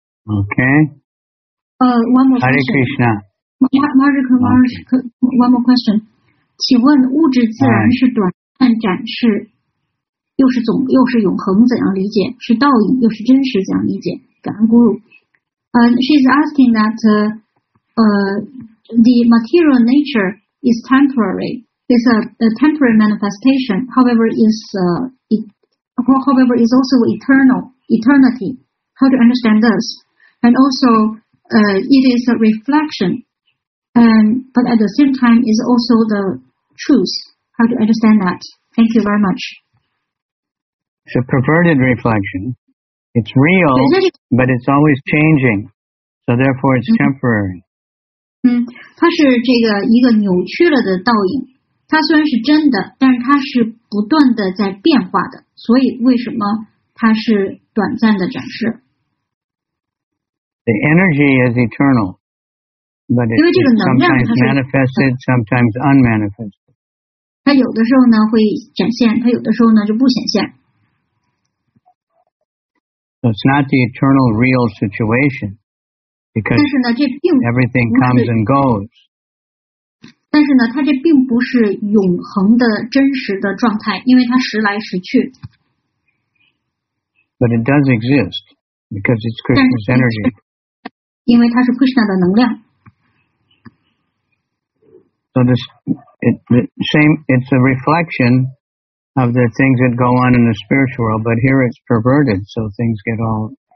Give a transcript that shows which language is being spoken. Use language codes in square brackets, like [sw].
[en] Okay. One more Hare Hare Krishna. Maharaj, one more question. [zh] 请问物质自然是短暂展示，又是总又是永恒怎样理解？是倒影又是真实怎样理解？感恩 Guru。 [en] She's asking that the material nature is temporary. It's a temporary manifestation. However, is also eternal, eternity. How to understand this? And also, it is a reflection. But at the same time, is also the truth. How to understand that? Thank you very much. It's a perverted reflection. It's real, but it's always changing. So therefore, it's temporary. [zh] 它是这个一个扭曲了的倒影。它虽然是真的，但是它是不断的在变化的。所以为什么它是短暂的展示？ [en] The energy is eternal, but it's sometimes manifested, sometimes unmanifested. [zh] 它有的时候呢会展现，它有的时候呢就不显现。 [en] So it's not the eternal real situation, because everything comes and goes. [zh] 但是呢，它这并不是永恒的真实的状态，因为它时来时去。 [en] But it does exist because it's Krishna's energy. [zh] 因为它是 Krishna 的能量。 [en] So this it's a reflection. Of the things that go on in the spiritual world, but here it's perverted, so things get all